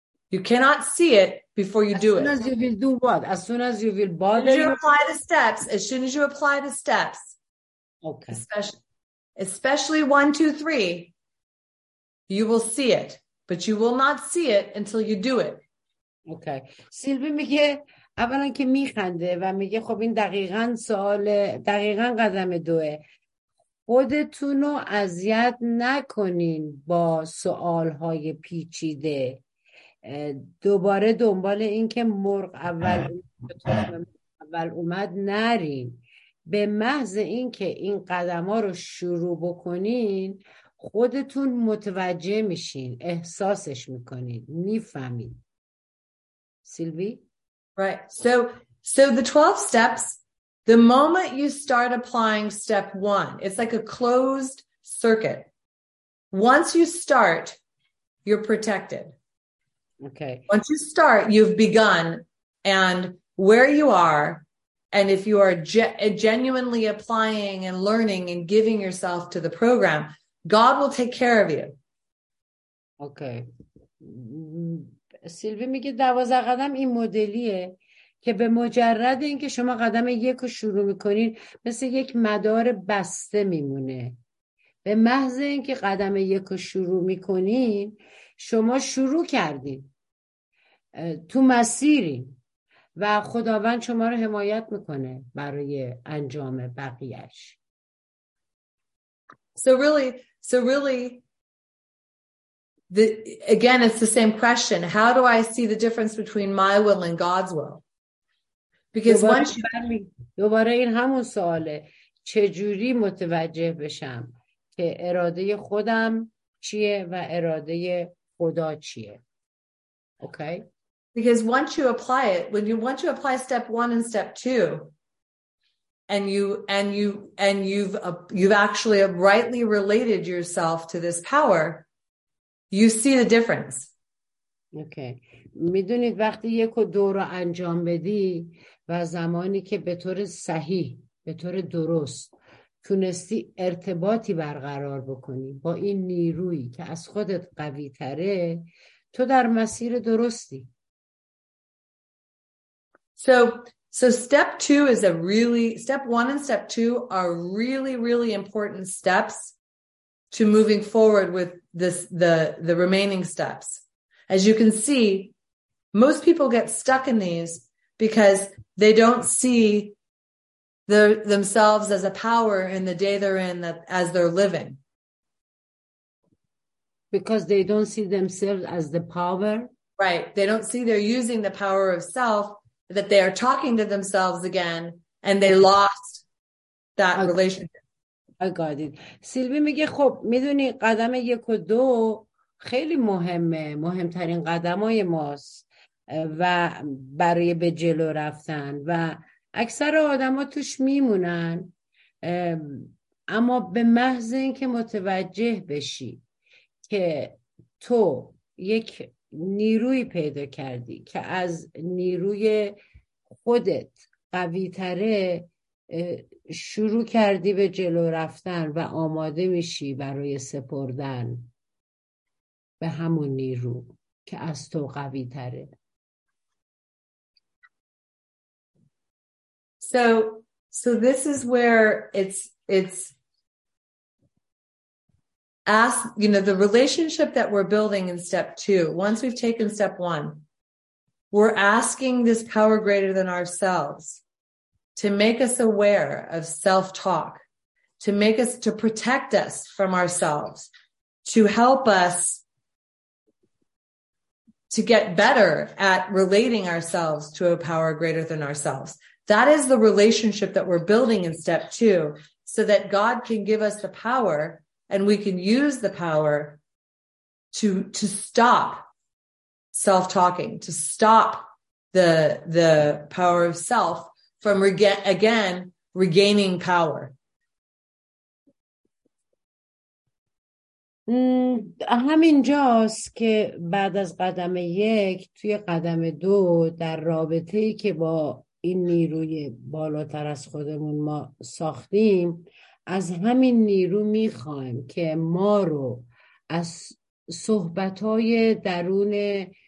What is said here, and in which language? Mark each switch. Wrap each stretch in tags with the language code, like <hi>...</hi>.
<en>You cannot see it before you do it. As soon as you will do what? As soon as you will bother. As you apply the steps. As soon as you apply the steps. Okay. Especially 1, 2, 3. You will see it. But you will not see it until you do it. Okay.</en> <fa>Silvi میگه اولا که میخنده و میگه خب این دقیقاً سوال دقیقاً قدم دوه. خودتون رو اذیت نکنین با سوال‌های پیچیده. دوباره دنبال این که مرغ اول اومد نرین. به محض این که این قدم ها رو شروع بکنین، خودتون متوجه میشین، احساسش میکنین، میفهمین. سیلوی؟</fa> <en>Right. So the 12 steps, the moment you start applying step one, it's like a closed circuit. Once you start, you're protected. Okay. Once you start, you've begun, and where you are, and if you are genuinely applying and learning and giving yourself to the program, God will take care of you. Okay. Sylvie میگه 12 قدم این مدلیه که به مجرد اینکه شما قدم یک رو شروع میکنین، مثل یک مدار بسته میمونه. به محض اینکه قدم یک رو شروع میکنین، شما شروع کردین، تو مسیرین و خداوند شما رو حمایت میکنه برای انجام بقیهش. So really, again, it's the same question. How do I see the difference between my will and God's will? Because</en> <fa>دوباره این همون سواله. چجوری متوجه بشم که اراده خودم چیه و اراده خدا چیه؟ Okay?</fa> <en>Because once you apply it, once you apply step one and step two, and you've actually rightly related yourself to this power, you see the difference. Okay.</en> <fa>میدونید وقتی یک و دو رو انجام بدی و زمانی که به طور صحیح، به طور درست تونستی ارتباطی برقرار بکنی با این نیرویی که از خودت قوی تره، تو در مسیر درستی.</fa> <en>So step two is a really, step one and step two are really, really important steps to moving forward with this, the remaining steps. As you can see, most people get stuck in these because they don't see themselves as a power in the day they're in, that as they're living. Because they don't see themselves as the power? Right. They don't see they're using the power of self, that they are talking to themselves again, and they lost that relationship. I got it.</en> <fa>سیلوی میگه خب میدونی قدم یک و دو خیلی مهمه، مهمترین قدم های ماست و برای به جلو رفتن و اکثر آدم ها توش میمونن، اما به محض اینکه متوجه بشی که تو یک نیروی پیدا کردی که از نیروی خودت قوی تره، شروع کردی به جلو رفتن و آماده میشی برای سپردن به همون نیرو که از تو قوی تره.</fa> <en>So this is where it's ask, you know, the relationship that we're building in step two, once we've taken step one, we're asking this power greater than ourselves to make us aware of self-talk, to make us, to protect us from ourselves, to help us to get better at relating ourselves to a power greater than ourselves. That is the relationship that we're building in step two, so that God can give us the power and we can use the power to stop self-talking, to stop the power of self from regaining power.</en> <fa>همینجاست که بعد از قدم یک توی قدم دو در رابطه‌ای که با این نیروی بالاتر از خودمون ما ساختیم، از همین نیرو میخوایم که ما رو از صحبت‌های درون</fa>